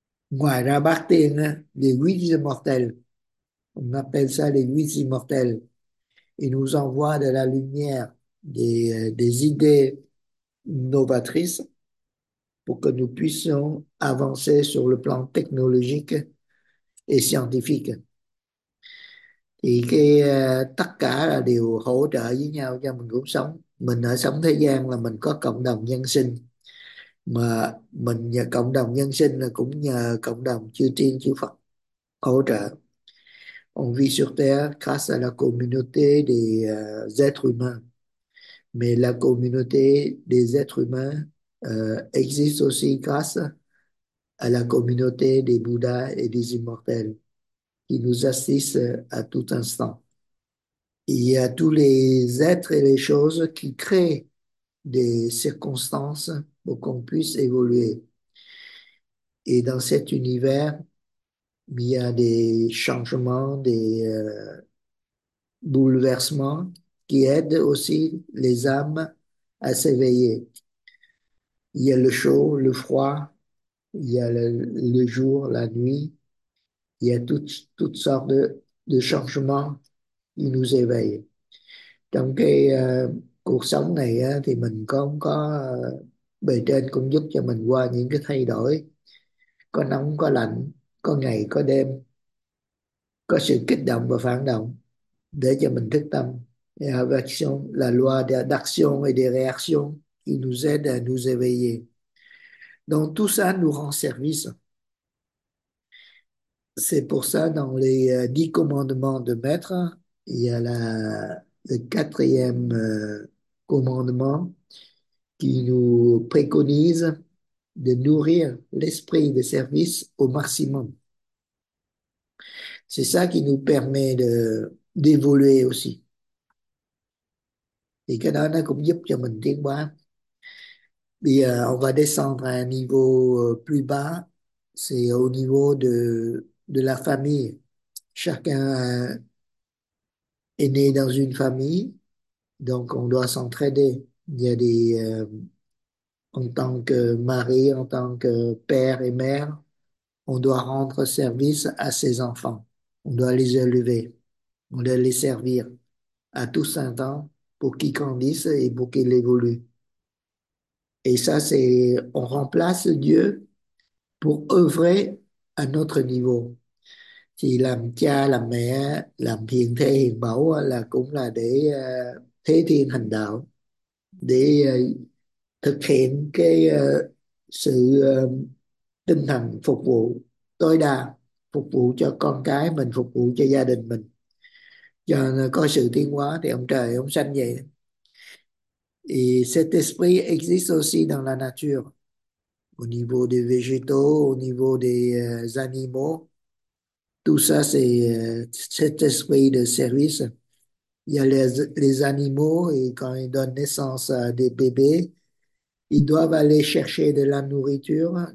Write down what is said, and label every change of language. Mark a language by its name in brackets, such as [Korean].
[French] Moi, Rabatine, les huit immortels, on appelle ça les huit immortels, ils nous envoient de la lumière, des idées novatrices pour que nous puissions avancer sur le plan technologique et scientifique. [Vietnamese] Thì tất cả là đều hỗ trợ với nhau cho mình cuộc sống. Mình ở sống thế gian là mình có cộng đồng nhân sinh. Mà mình nhờ cộng đồng nhân sinh là cũng nhờ cộng đồng chư tiên chư Phật hỗ trợ. [French] On vit sur terre grâce à la communauté des êtres humains. Mais la communauté des êtres humains existe aussi grâce à la communauté des Bouddhas et des immortels qui nous assistent à tout instant. Il y a tous les êtres et les choses qui créent des circonstances pour qu'on puisse évoluer. Et dans cet univers, il y a des changements, bouleversements qui aident aussi les âmes à s'éveiller. Il y a le chaud, le froid, il y a le jour, la nuit, il y a toutes sortes de changements qui nous éveillent. [Vietnamese] Trong cái cuộc sống này thì mình không có bề trên cũng giúp cho mình qua những cái thay đổi, có nóng có lạnh, có ngày có đêm, có sự kích động và phản động để cho mình thức tâm. [French] Réaction, la loi d'action et de réaction qui nous aide à nous éveiller. Donc tout ça nous rend service. C'est pour ça dans les 10 commandements de maître, il y a le quatrième commandement qui nous préconise de nourrir l'esprit de service au maximum. C'est ça qui nous permet d'évoluer aussi. Et que là, [Vietnamese] nó cũng giúp cho mình tiến hóa. Bây giờ, [French] on va descendre à un niveau plus bas, c'est au niveau de la famille. Chacun est né dans une famille, donc on doit s'entraider. Il y a en tant que mari, en tant que père et mère, on doit rendre service à ses enfants. On doit les élever, on doit les servir à tout instant pour qu'ils grandissent et pour qu'ils évoluent. Et ça, c'est, on remplace Dieu pour œuvrer à notre niveau. [Vietnamese] Thì làm cha, làm mẹ, làm hiền thê, hiền mẫu là cũng là để thế thiên hành đạo, để thực hiện cái sự tinh thần phục vụ tối đa, phục vụ cho con cái mình, phục vụ cho gia đình mình. Cho có sự tiến hóa thì ông trời ông sanh vậy. [French] Et cet esprit existe aussi dans la nature, au niveau des végétaux, au niveau des animaux. Tout ça, c'est cet esprit de service. Il y a les animaux, et quand ils donnent naissance à des bébés, ils doivent aller chercher de la nourriture.